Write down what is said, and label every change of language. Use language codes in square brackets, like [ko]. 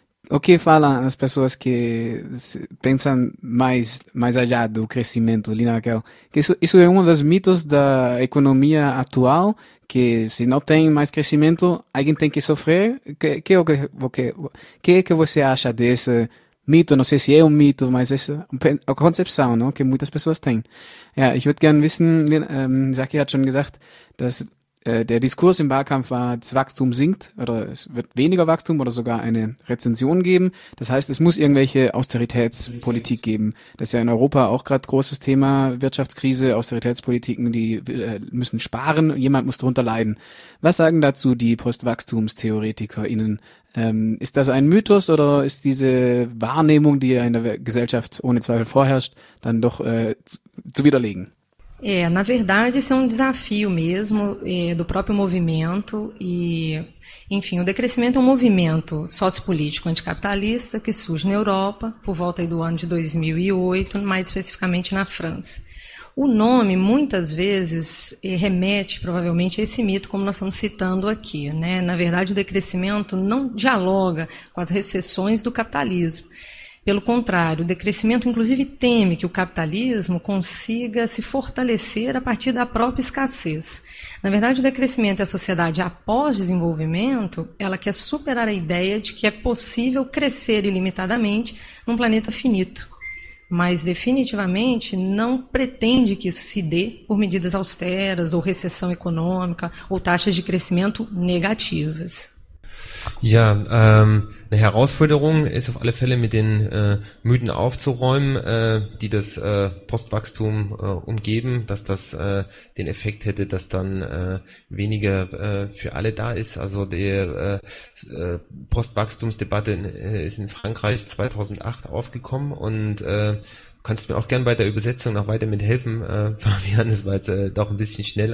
[pt] O que falam as pessoas que pensam mais allá do crescimento, Lina Raquel? Isso é um dos mitos da economia atual, que se não tem mais crescimento, alguém tem que sofrer. O que você acha desse mito? Não sei se é um mito, mas essa é a concepção, não? Que muitas pessoas têm. [de] Ja, ich würde gerne wissen, Lina, Jackie hat schon gesagt, dass der Diskurs im Wahlkampf war, das Wachstum sinkt oder es wird weniger Wachstum oder sogar eine Rezession geben. Das heißt, es muss irgendwelche Austeritätspolitik geben. Das ist ja in Europa auch gerade großes Thema, Wirtschaftskrise, Austeritätspolitiken, die müssen sparen, jemand muss darunter leiden. Was sagen dazu die PostwachstumstheoretikerInnen? Ist das ein Mythos oder ist diese Wahrnehmung, die ja in der Gesellschaft ohne Zweifel vorherrscht, dann doch zu widerlegen? [pt] É, na verdade, isso é um desafio mesmo do próprio movimento e, enfim, o decrescimento é um movimento sociopolítico anticapitalista que surge na Europa por volta aí do ano de 2008, mais especificamente na França. O nome, muitas vezes, remete, provavelmente, a esse mito, como nós estamos citando aqui, né? Na verdade, o decrescimento não dialoga com as recessões do capitalismo. Pelo contrário, o decrescimento inclusive teme que o capitalismo consiga se fortalecer a partir da própria escassez. Na verdade, o decrescimento é a sociedade após desenvolvimento, ela quer superar a ideia de que é possível crescer ilimitadamente num planeta finito, mas definitivamente não pretende que isso se dê por medidas austeras ou recessão econômica ou taxas de crescimento negativas. [de] Ja, eine Herausforderung ist auf alle Fälle mit den Mythen aufzuräumen, die das Postwachstum umgeben, dass das den Effekt hätte, dass dann weniger für alle da ist. Also die Postwachstumsdebatte ist in Frankreich 2008 aufgekommen und du kannst mir auch gerne bei der Übersetzung noch weiter mithelfen, Fabian, das war jetzt doch ein bisschen schnell.